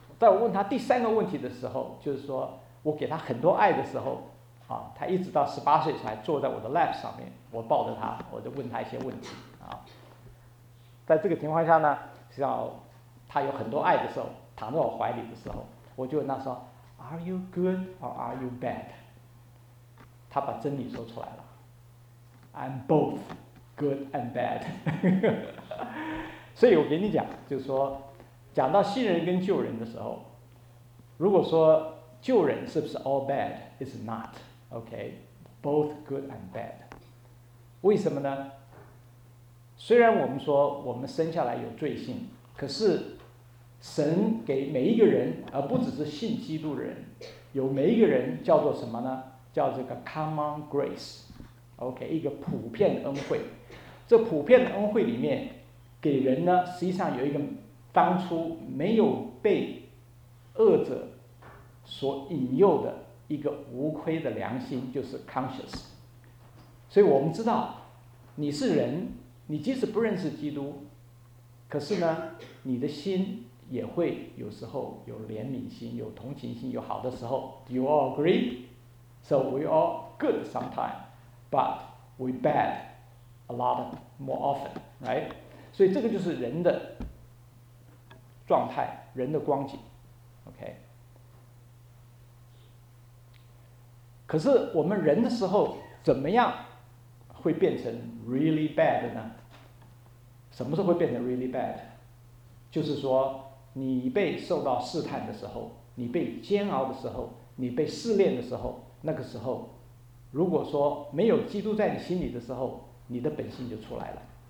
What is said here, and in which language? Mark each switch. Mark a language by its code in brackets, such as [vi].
[zh] 在我问他第三个问题的时候，就是说我给他很多爱的时候，他一直到十八岁才坐在我的 lap 上面，我抱着他，我就问他一些问题在这个情况下呢，实际上他有很多爱的时候，躺在我怀里的时候，我就问他说 [en] Are you good or are you bad？ [zh] 他把真理说出来了， [en] I'm both good and bad。 [zh] 所以我跟你讲，就是说讲到新人跟旧人的时候，如果说旧人是不是 [en] all bad， it's not OK， both good and bad。 [zh] 为什么呢？虽然我们说我们生下来有罪性，可是神给每一个人，而不只是信基督的人，有每一个人叫做什么呢？叫这个 common grace， OK， 一个普遍的恩惠。这普遍的恩惠里面给人呢，实际上有一个当初没有被恶者所引诱的一个无亏的良心，就是 conscious。所以我们知道你是人，你即使不认识基督，可是呢你的心也会有时候有怜悯心，有同情心，有好的时候。 [en] Do you all agree? So we all good sometimes but we bad a lot more often, right? [zh] 所以这个就是人的状态，人的光景 OK。可是我们人的时候怎么样会变成 [en] really bad [zh] 呢？什么时候会变成 [en] really bad？ [zh] 就是说你被受到试探的时候，你被煎熬的时候，你被试炼的时候，那个时候如果说没有基督在你心里的时候，你的本性就出来了。